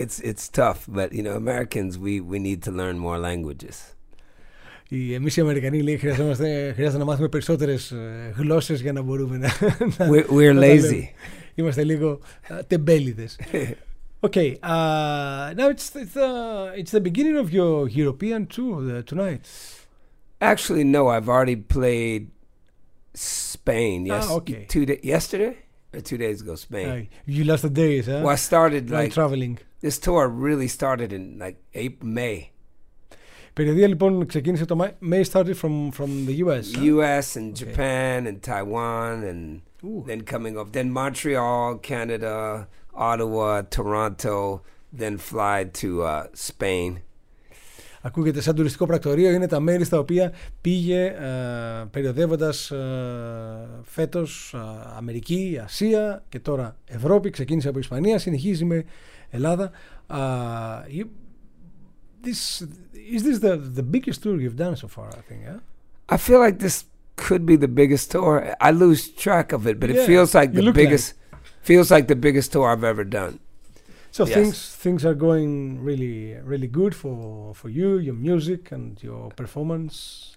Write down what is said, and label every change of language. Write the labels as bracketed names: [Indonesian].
[English] It's tough, but you know, Americans, we need to learn more languages. [Greek] Εμείς οι Αμερικανοί λέει χρειάζεται να μάθουμε περισσότερες γλώσσες για να μπορούμε να... [English] We're lazy. [Greek] Είμαστε λίγο τεμπέληδες. [English] Okay, now it's the beginning of your European tour tonight. Actually, no, I've already played Spain. Yesterday? Or 2 days ago, Spain. You lasted days, huh? Well, I started like traveling. This tour really started in like May. [Greek] Περιοδία λοιπόν ξεκίνησε το May, [English] started from the US. US and okay. Japan and Taiwan and Ooh. Then coming off. Then Montreal, Canada, Ottawa, Toronto, then fly to Spain. [Greek] Ακούγεται σαν τουριστικό πρακτορείο, είναι τα μέρη στα οποία πήγε περιοδεύοντας φέτος Αμερική, Ασία και τώρα Ευρώπη. Ξεκίνησε από Ισπανία, συνεχίζει με Ελλάδα. [English] Is this the biggest tour you've done so far, I think, yeah? I feel like this could be the biggest tour. I lose track of it, but yeah, it feels like the biggest tour I've ever done. So yes. things are going really, really good for you, your music and your performance.